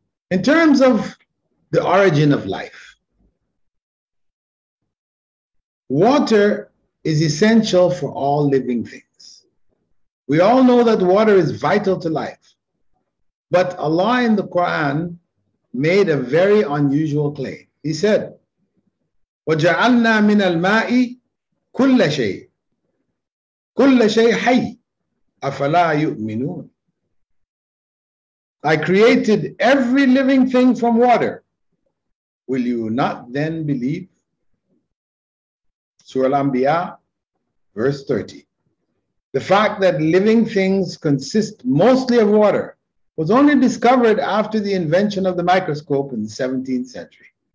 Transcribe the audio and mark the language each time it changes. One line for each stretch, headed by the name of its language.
English: In terms of the origin of life, water is essential for all living things. We all know that water is vital to life, but Allah in the Quran made a very unusual claim. He said,
Arabic: وَجَعَلْنَا مِنَ الْمَاءِ كُلَّ شَيْءٍ كُلَّ شَيْءٍ حَيٍّ أَفَلَا يُؤْمِنُونَ.
English: I created every living thing from water. Will you not then believe? Surah Al-Anbiya, verse 30. The fact that living things consist mostly of water was only discovered after the invention of the microscope in the 17th century.